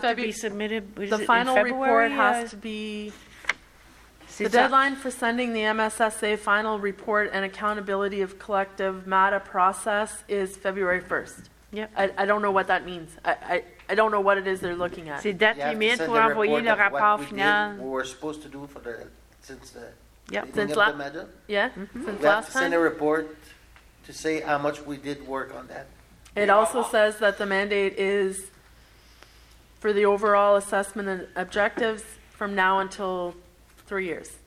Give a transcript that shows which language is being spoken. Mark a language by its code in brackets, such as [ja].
[en] have to be submitted. The final report has to be. The deadline for sending the MSSA final report and accountability of collective MATA process is February 1st. Yep. I don't know what that means. I don't know what it is they're looking at. [fr] C'est date limite pour envoyer le rapport final. [en] What we're supposed to do for the since the. Yep. Since last time. We have to send a report to say how much we did work on that. It also says that the mandate is for the overall assessment and objectives from now until 3 years.